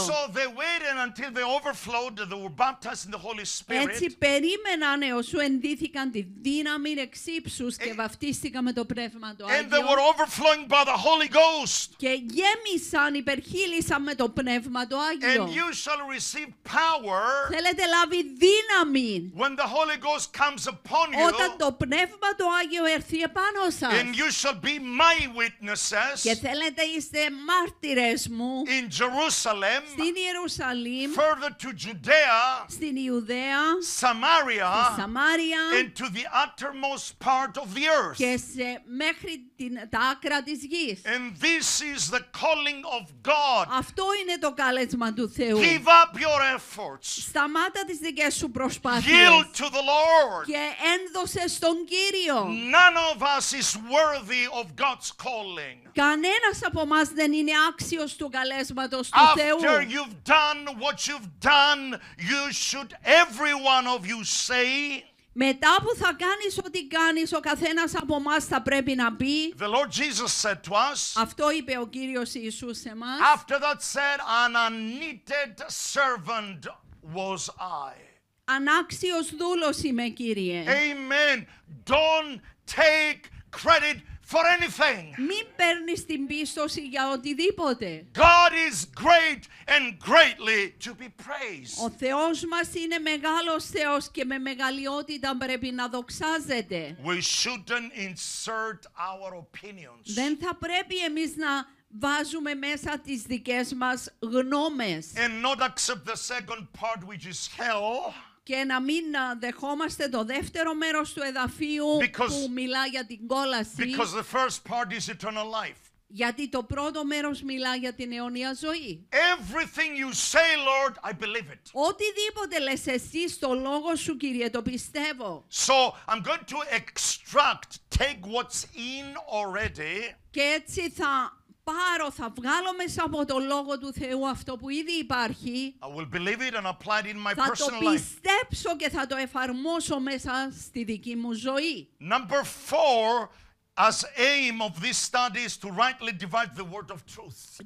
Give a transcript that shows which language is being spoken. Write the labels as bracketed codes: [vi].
[en] So they waited until they overflowed, they were baptized in the Holy Spirit. [el] Έτσι περίμεναν όσο ενδύθηκαν τη δύναμη εξύψους και βαφτίστηκαν με το Πνεύμα το Άγιο. [en] And they were overflowing by the Holy Ghost. [el] Και γέμισαν, υπερχείλησαν με το Πνεύμα το Άγιο. [en] And you shall receive power. [el] Θέλετε λάβει δύναμη. [en] When the Holy Ghost comes upon you. [el] Όταν το Πνεύμα το Άγιο έρθει επάνω σας. [en] And you shall be my witnesses. [el] Και θέλετε είστε μάρτυρες μου. [en] In Jerusalem, [el] στην Ιερουσαλήμ, [en] further to Judea, [el] στην Ιουδαία, [en] Samaria, [el] στη Σαμάρια, [en] and to the uttermost part of the earth, [el] και σε μέχρι τα άκρα της γης. [en] And this is the calling of God. [el] Αυτό είναι το κάλεσμα του Θεού. [en] Give up your efforts. [el] Σταμάτα τις δικές σου προσπάθειες. [en] Yield to the Lord. [el] Και ένδωσε στον Κύριο. [en] None of us is worthy of God's calling. [el] Κανένας από μας δεν είναι άξιος του καλέσματος [en] After [el] του Θεού. [en] After you've done what you've done, you should every one of you say. [el] Μετά που θα κάνεις ό,τι κάνεις, ο καθένας από μας θα πρέπει να πει. [en] The Lord Jesus said to us. [el] Αυτό είπε ο Κύριος Ιησούς σε μας. [en] After that said, an unneeded servant was I. [el] Ανάξιος δούλος είμαι, Κύριε. [en] Amen. Don't take credit. For anything. [el] Μην παίρνεις την πίστοση για οτιδήποτε. [en] God is great and greatly to be praised. [el] Ο Θεός μας είναι μεγάλος Θεός και με μεγαλειότητα πρέπει να δοξάζεται. [en] We shouldn't insert our opinions. [el] Δεν θα πρέπει εμείς να βάζουμε μέσα τις δικές μας γνώμες. [en] And not accept the second part which is hell. [el] Και να μην δεχόμαστε το δεύτερο μέρος του εδαφίου που μιλά για την κόλαση. [en] Because the first part is eternal life. [el] Γιατί το πρώτο μέρος μιλά για την αιώνια ζωή. [en] Everything you say, Lord, I believe it. [el] Οτιδήποτε λες εσύ στο λόγο σου, Κύριε, το πιστεύω. [en] So I'm going to extract, take what's in already. [el] Και έτσι θα πάρω, θα βγάλω μέσα από το λόγο του Θεού αυτό που ήδη υπάρχει. [en] I will believe it and apply it in my [el] θα [en] personal [el] το πιστέψω [en] life. [el] Και θα το εφαρμόσω μέσα στη δική μου ζωή. [en] Number four, as aim of this study is to rightly divide the word of truth.